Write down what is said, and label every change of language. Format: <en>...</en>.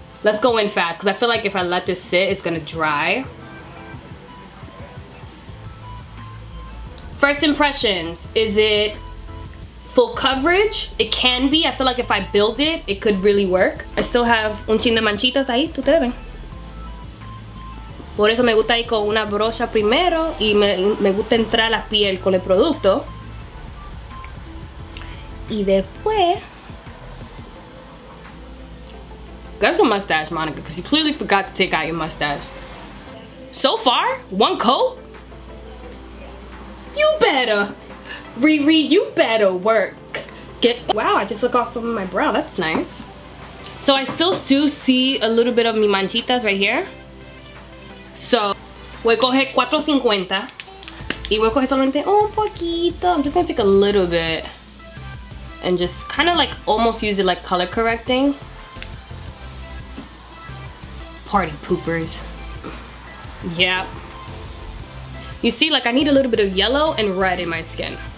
<en>Let's go in fast, because I feel like if I let this sit, it's gonna dry. First impressions, is it full coverage? It can be. I feel like if I build it, it could really work. I still have</en> <es>un chin de manchitas ahí, tú te ven. Por eso me gusta ir con una brocha primero y me gusta entrar a la piel con el producto. Y después...</es> <en>That's a mustache, Monica, because you clearly forgot to take out your mustache. So far, one coat? You better, Riri, you better work. Get, wow, I just took off some of my brow, that's nice. So I still do see a little bit of</en> <es>mi manchitas</es> <en>right here.</en> <es>So, voy a coger 450 y voy a coger solamente un poquito.</es> <en>I'm just gonna take a little bit and just kind of like almost use it like color correcting. Party poopers. Yeah. You see, like I need a little bit of yellow and red in my skin.</en>